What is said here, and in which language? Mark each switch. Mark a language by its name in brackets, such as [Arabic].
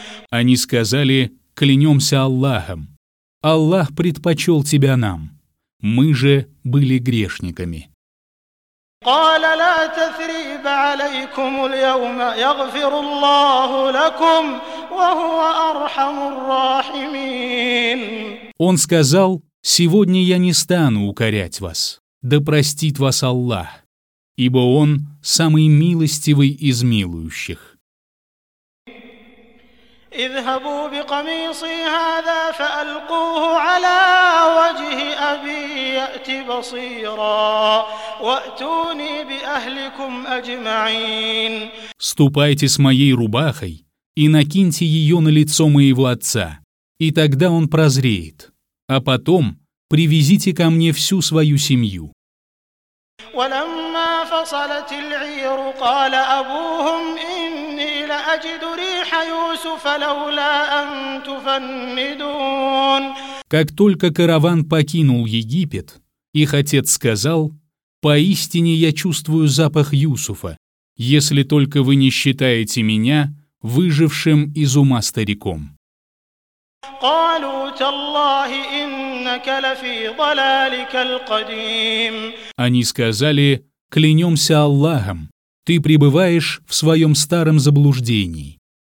[Russian] Они сказали: «Клянемся Аллахом, Аллах предпочел тебя нам, мы же были грешниками». [Arabic] قال لا تثريب عليكم اليوم يغفر الله لكم وهو أرحم الراحمين. [Russian] Он сказал: «Сегодня я не стану укорять вас, да простит вас Аллах, ибо Он самый милостивый из милующих». [Arabic] اذهبوا بقميصي هذا فألقوه على وجه أبي يأتي بصيرا وأتوني بأهلكم أجمعين. [Russian] Ступайте с моей рубахой и накиньте ее на лицо моего отца, и тогда он прозреет. А потом привезите ко мне всю свою семью. [Arabic] ولما فصلت العير قال أبوهم إني لأجد ريح يوسف لولا أن تفندون. [Russian] Как только караван покинул Египет, их отец сказал: «Поистине я чувствую запах Юсуфа, если только вы не считаете меня выжившим из ума стариком». [Arabic] قالوا تالله إنك لفي ضلالك القديم. [Russian] Они сказали: клянемся Аллахом, ты пребываешь в своем старом заблуждении.